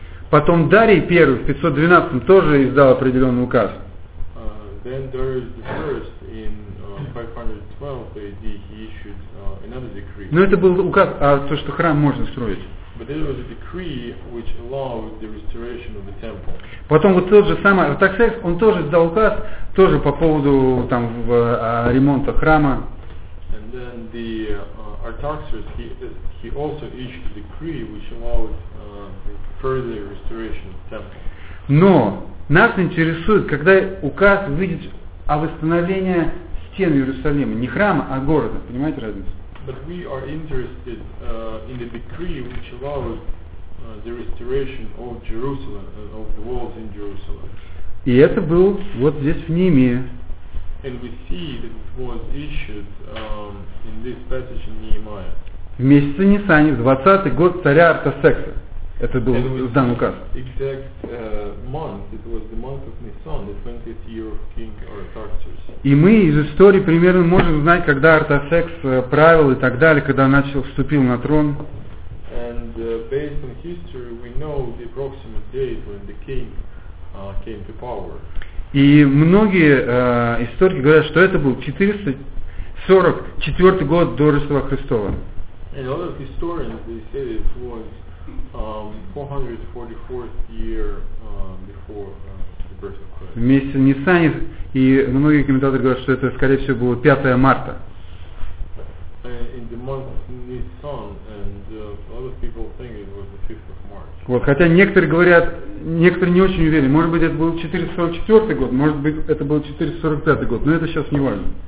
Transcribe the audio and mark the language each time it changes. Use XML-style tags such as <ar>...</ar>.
<ru>Потом Дарий I в 512 тоже издал определенный указ.</ru> <en>Then Darius I in 512 AD he issued another decree.</en> <ru>Но это был указ о том, что храм можно строить.</ru> <en>But there was a decree which allowed the restoration of the temple.</en> <ru>Потом вот тот же самый Артаксеркс, он тоже издал указ, тоже по поводу там в, ремонта храма.</ru> <en>And then the Artaxerxes he also issued a decree which allowed further restoration of the temple.</en> <ru>Но нас интересует, когда указ выйдет о восстановлении стен Иерусалима, не храма, а города. Понимаете разницу?</ru> <en>But we are interested in the decree which allows the restoration of Jerusalem, of the walls in Jerusalem.</en> <ru>И это был вот здесь в Неемии.</ru> <en>And we see that it was issued in this passage in Nehemiah.</en> <ru>В месяце Нисани, в 20-й год царя Артаксеркса. Это был данный указ.</ru> <en>Exact, month. It was the month of Nisan, the 20th year of King Artaxerxes.</en> <ru>И мы из истории примерно можем знать, когда Артаксеркс правил и так далее, когда начал вступил на трон.</ru> <en>And based on history, we know the approximate date when the king came to power.</en> <ru>И многие историки говорят, что это был 444 год до Рождества Христова.</ru> <en>And other historians they say that it was 444th year before the birth of Christ.</en> <ru>Месяц Нисан, и многие комментаторы говорят, что это скорее всего было 5 марта.</ru> <en>In the month of Nisan, and other people think it was the 5th of March.</en> <ru>Вот, хотя некоторые говорят, некоторые не очень уверены. Может быть, это был 444 год, может быть, это был 445 год, но это сейчас не важно.</ru>